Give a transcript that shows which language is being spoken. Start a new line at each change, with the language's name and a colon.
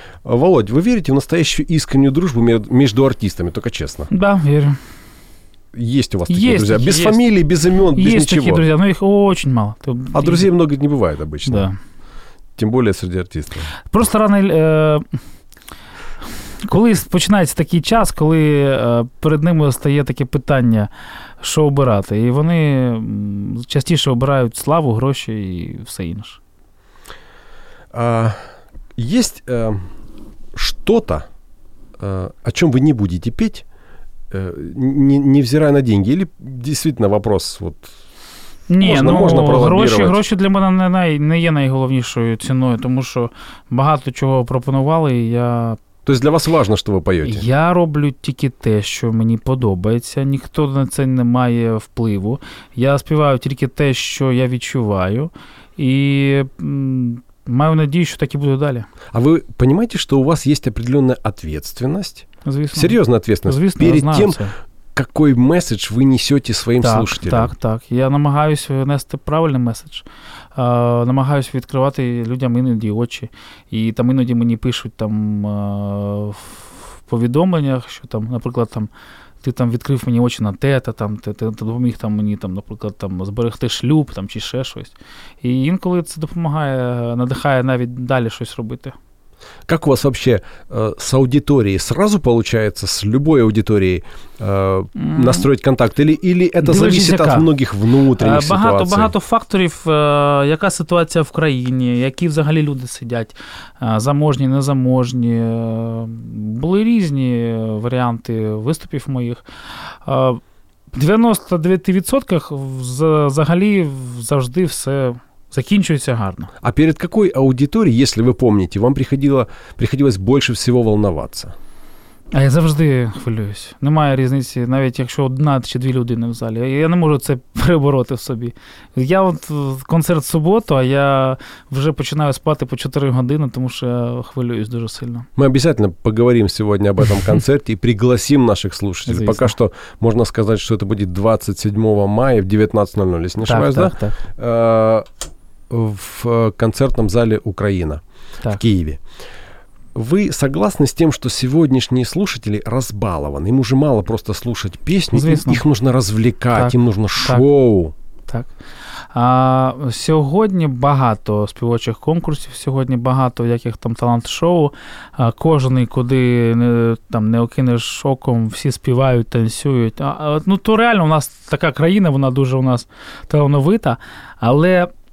Russian: Володь, вы верите в настоящую искреннюю дружбу между артистами, только честно? Да, верю. Есть у вас такие друзья? Без фамилий, без имен, без ничего? Есть такие друзья, но их очень мало. А друзей много не бывает обычно? Да. Тем более среди артистов. Просто рано...
Ukrainian: Коли починається такий час, коли перед ними стає таке питання, що обирати, і вони частіше обирають славу, гроші і все інше. Є щось, о чому ви не будете піти,
Russian: невзирая на деньги? Или действительно вопрос вот...
Ukrainian: Ні, можна, ну, можна гроші для мене не є найголовнішою ціною, тому що багато чого пропонували, і я...
Russian: То есть для вас важно, что вы поете?
Ukrainian: Я роблю тільки те, що мені подобається. Ніхто на це не має впливу. Я співаю тільки те, що я відчуваю. І маю надію, що так і буде далі. А ви розумієте, що у вас є определенна відповідальність? Звісно. Серйозна відповідальність? Звісно, я знаю тим, це.
Russian: Какой меседж вы несете своим
Ukrainian: так,
Russian: слушателям?
Ukrainian: Так, так. Я намагаюсь нести правильный меседж. Намагаюсь відкривати людям іноді очі. І там іноді мені пишуть там в повідомленнях, що там, наприклад, там ти там відкрив мені очі на тета, там ти допоміг там мені там, наприклад, там зберегти шлюб, там чи ще щось. І інколи це допомагає, надихає навіть далі щось робити.
Russian: Как у вас вообще с аудиторией? Сразу получается с любой аудиторией настроить контакт? Или это зависит от многих внутренних ситуаций?
Ukrainian: Багато факторів. Яка ситуація в країні? Які взагалі люди сидять? Заможні, незаможні? Були різні варіанти виступів моїх. В 99% взагалі завжди все... Закінчується гарно. А перед якою аудиторією, якщо ви пам'ятаєте, вам приходилось більше всього хвилюватися? А я завжди хвилююсь. Немає різниці, навіть якщо одна чи дві людини в залі. Я не можу це перебороти в собі. Я от концерт в суботу, а я вже починаю спати по 4 години, тому що я хвилююсь дуже сильно. Ми обов'язково поговоримо сьогодні
Russian: об этом
Ukrainian: концерті і пригласимо наших слушателів. Звісно. Поки що можна сказати, що це буде 27 мая в 19:00, якщо не ошибаюсь, так, так,
Russian: да? В концертном зале «Украина»,
Ukrainian: так,
Russian: в Киеве. Вы согласны с тем, что сегодняшние слушатели разбалованы? Им уже мало просто слушать песни, их нужно развлекать,
Ukrainian: так,
Russian: им нужно шоу.
Ukrainian: Так. Сьогодні багато співочих конкурсів, сьогодні багато яких там талант-шоу. Кожний, куди там не окинеш оком, всі співають, танцюють. Ну, то реально у нас така країна, вона дуже у нас талановита, але...